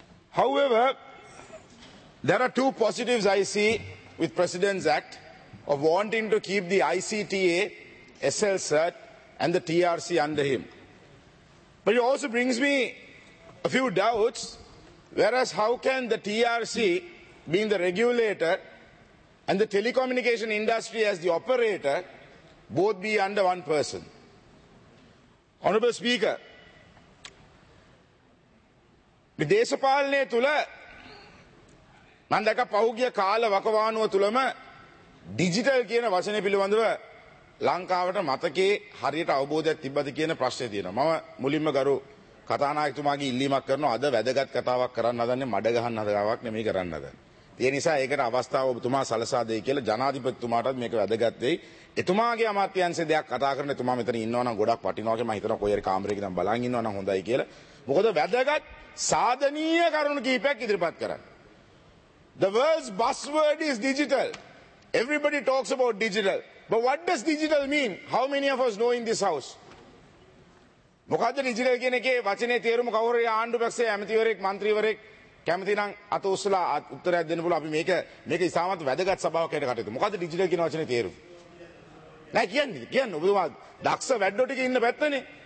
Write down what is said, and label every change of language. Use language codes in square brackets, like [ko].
[en] However, there are two positives I see with President's Act of wanting to keep the ICTA, SL Cert, and the TRC under him. But it also brings me a few doubts, whereas how can the TRC, being the regulator, and the telecommunication industry as the operator, both be under one person? Honourable Speaker, [si] Deshapalane Tula, මම දැක පහුගිය කාල වකවානුව තුලම digital කියන වචනේ පිළිබඳව ලංකාවට මතකේ හරියට අවබෝධයක් තිබ්බද කියන ප්‍රශ්නේ තියෙනවා. මම මුලින්ම ගරු කතානායකතුමාගේ ඉල්ලීමක් කරනවා අද වැදගත් කතාවක් කරන්න හදන්නේ මඩ ගහන්න හදාවක් නෙමෙයි කරන්න හදන්නේ. ඒ නිසා ඒකට අවස්ථාව ඔබතුමා සලසා දෙයි කියලා ජනාධිපතිතුමාටත් මේක වැදගත් වෙයි. එතුමාගේ අමාත්‍යංශයේ දෙයක් කතා කරන එතුමා මෙතන ඉන්නවා නම් ගොඩක් වටිනවා කියලා මම හිතනවා කොහේරි කාමරයක ඉඳන් බලන් ඉන්නවා නම් හොඳයි කියලා. මොකද වැදගත් සාධනීය කරුණු කිහිපයක් ඉදිරිපත් කරා. [en] The world's buzzword is digital. Everybody talks about digital. But what does digital mean? How many of us know in this house? [si] මොකද්ද digital කියන්නේ කියේ වචනේ තේරුම කවුරු හරි ආණ්ඩු පක්ෂයේ ඇමතිවරයෙක් මන්ත්‍රීවරයෙක් කැමති නම් අත උස්සලා උත්තරයක් දෙන්න පුළුවන් අපි මේක ඉස්සමත් වැදගත් සභාවකයකට කටයුතු. මොකද්ද digital කියන වචනේ තේරුම? නෑ කියන්න ඔබතුමා දක්ෂ වැඩෝ ටික ඉන්න පැත්තනේ.